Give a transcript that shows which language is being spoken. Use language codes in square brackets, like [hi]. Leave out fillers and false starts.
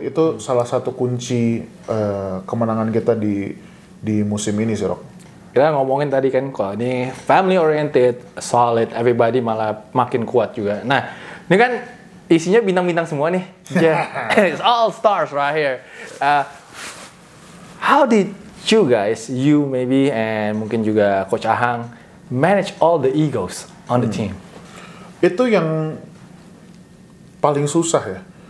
[id] Itu salah satu kunci kemenangan kita di musim ini sih, Rok. Kita ngomongin tadi kan, kalau ini family oriented, solid, everybody malah makin kuat juga. Nah, ini kan isinya bintang-bintang semua nih. [en] It's all stars right here. How did you guys, you maybe, and [id] mungkin juga [en] Coach Ahang, manage all the egos on the team? [id] Itu yang paling susah ya.